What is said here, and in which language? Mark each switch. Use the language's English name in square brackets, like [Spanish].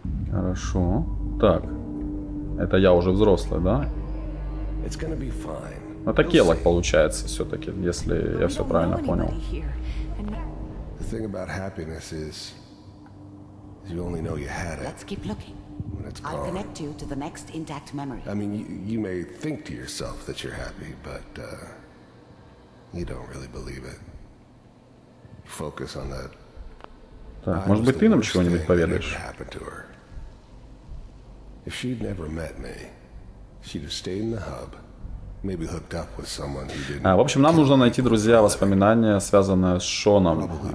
[Russian] Хорошо. Так, это я уже взрослый, да? [English] It's gonna be fine. [Russian] Это Келок получается все-таки, если я все правильно понял. [English] The thing about happiness is you only know you had it. Let's keep looking. I'll connect you to the next intact memory. I mean, you may think to yourself that you're happy, but you don't really believe it. Focus on that. [Russian] Так, может быть, ты нам чего-нибудь поведаешь? [English] If she'd never met me, she'd have stayed in the hub. Maybe hooked up with someone who didn't. [Russian] В общем, нам нужно найти, друзья, воспоминания, связанные с Шоном.